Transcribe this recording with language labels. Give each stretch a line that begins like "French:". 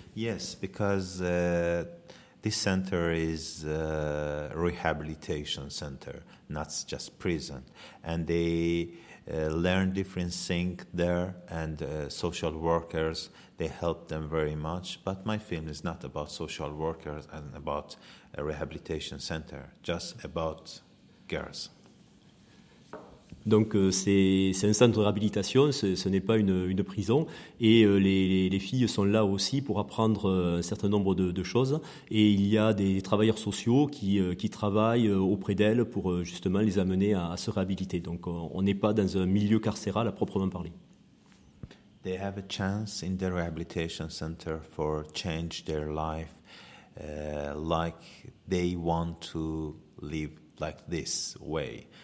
English: Yes, because this center is a rehabilitation center, not just prison. And they learn different things there, and social workers, they help them very much. But my film is not about social workers and about a rehabilitation center, just about girls.
French: Donc c'est un centre de réhabilitation, ce n'est pas une prison, et les filles sont là aussi pour apprendre un certain nombre de choses, et il y a des travailleurs sociaux qui travaillent auprès d'elles pour justement les amener à se réhabiliter. Donc on n'est pas dans un milieu carcéral à proprement parler.
English: They have a chance in the rehabilitation center for change their life, like they want to live like this way.